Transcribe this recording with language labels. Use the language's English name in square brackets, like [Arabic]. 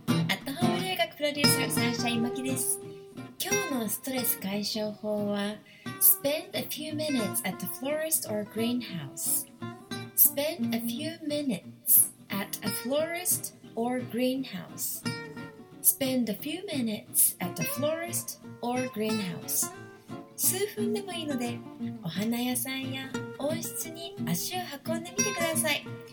[Japanese] アットホーム留学プロデューサーサンシャインマキです。今日のストレス解消法は [English] Spend a few minutes at the florist or greenhouse. Spend a few minutes at a florist or greenhouse. Spend a few minutes at the florist or greenhouse. [Japanese] 数分でもいいのでお花屋さんや温室に足を運んでみてください。